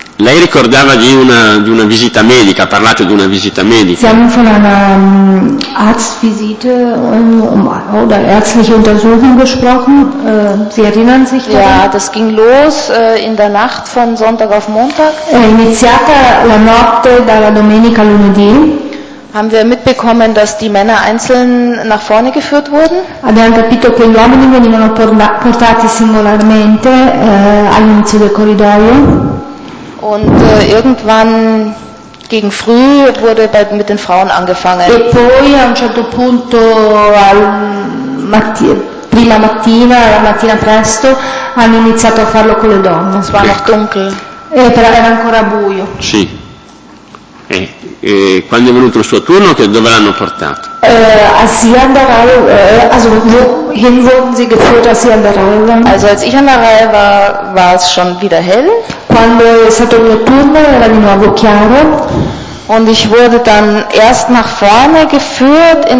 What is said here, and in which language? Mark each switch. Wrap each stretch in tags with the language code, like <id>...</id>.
<it>Lei ricordava di una visita medica, ha parlato di una visita medica. Siamo</it> <de>von einer Arztvisite oder ärztliche Untersuchung gesprochen. Sie erinnern sich daran? Ja, das ging los in der Nacht von Sonntag auf Montag.</de> <it>È iniziata la notte dalla domenica a lunedì.</it> <de>Haben wir mitbekommen, dass die Männer einzeln nach vorne geführt wurden?</de> <it>Abbiamo capito che gli uomini venivano portati singolarmente all'inizio del corridoio.</it> <de>Und irgendwann gegen früh wurde mit den Frauen angefangen.</de> <it>E poi a un certo punto prima mattina, la mattina presto, hanno iniziato a farlo con le donne.</it> <de>Es war noch dunkel.</de> <it>Però era ancora buio. Sì. Quando è venuto il suo turno, che dove l'hanno portato?</it> <de>Als sie an der Reihe, also wohin wurden sie geführt, als sie an der Reihe waren? Also als ich an der Reihe war, war es schon wieder hell.</de> <it>Quando è stato il mio turno, era di nuovo chiaro.</it> <de>Und ich wurde dann erst nach vorne geführt in</de>